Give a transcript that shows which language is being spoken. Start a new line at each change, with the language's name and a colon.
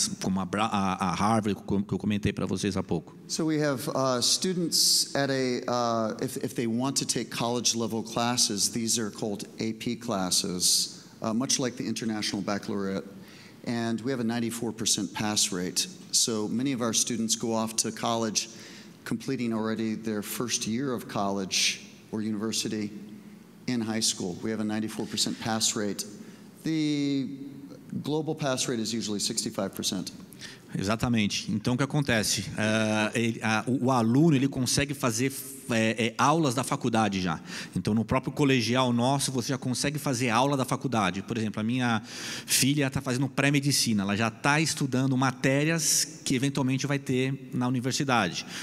Portuguese: Como a Harvard, que eu comentei para vocês há pouco.
English: So we have students at a if they want to take college level classes, these are called AP classes, much like the International Baccalaureate, and we have a 94% pass rate. So many of our students go off to college completing already their first year of college or university, in high school. We have a 94% pass rate. The global pass rate is usually 65%.
Portuguese: Exatamente. Então, o que acontece? O aluno ele consegue fazer aulas da faculdade já. Então, no próprio colegial nosso, você já consegue fazer aula da faculdade. Por exemplo, a minha filha está fazendo pré-medicina. Ela já está estudando matérias que, eventualmente, vai ter na universidade.